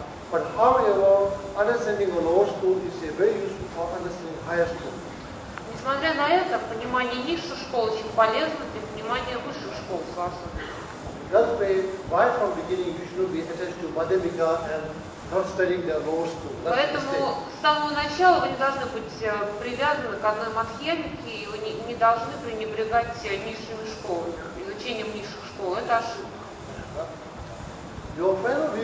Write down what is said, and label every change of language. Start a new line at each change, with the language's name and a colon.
English: But however, understanding the lower school is very useful for understanding higher school.
Russian: Несмотря на это, понимание низших школ очень полезно для понимания высших школ философии.
English: That's why from beginning you should be attached to Madhyamika and not studying the lower school.
Russian: Поэтому с самого начала вы не должны быть привязаны к одной Мадхьямике, и вы не должны пренебрегать низшими школами, изучением низших школ. Это ошибка.